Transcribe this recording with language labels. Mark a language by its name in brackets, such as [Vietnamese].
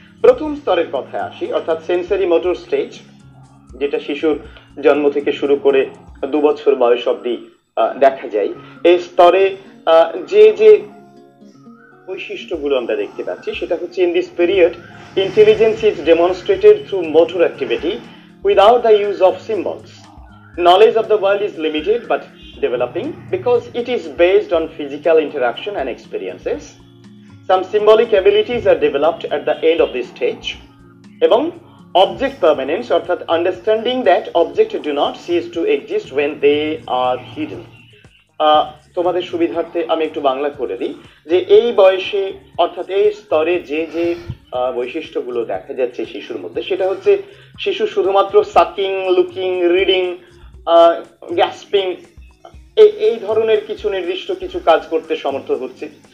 [Bangla] প্রথম স্তরের কথায় আসি, অর্থাৎ সেন্সারি মোটর স্টেজ, যেটা শিশুর জন্ম থেকে শুরু করে 2 বছর বয়স অবধি দেখা যায়। এই স্তরে যে যে বৈশিষ্ট্যগুলো আমরা দেখতে পাচ্ছি সেটা হচ্ছে, [English] In this period intelligence is demonstrated through motor activity without the use of symbols. Knowledge of the world is limited but developing because it is based on physical interaction and experiences. Some symbolic abilities are developed at the end of this stage. [Bangla] Ebong [English] object permanence, [Bangla] অর্থাৎ [English] Understanding that object do not cease to exist when they are hidden. [Bangla] তোমাদের সুবিধার্থে আমি একটু বাংলা করে দিই, যে এই বয়সে অর্থাৎ এই স্তরে যে যে বৈশিষ্ট্যগুলো দেখা যাচ্ছে শিশুর মধ্যে, সেটা হচ্ছে শিশু শুধুমাত্র সাকিং, লুকিং, রিডিং, গ্যাস্পিং, এই ধরনের কিছু নির্দিষ্ট কিছু কাজ করতে সমর্থ হচ্ছে।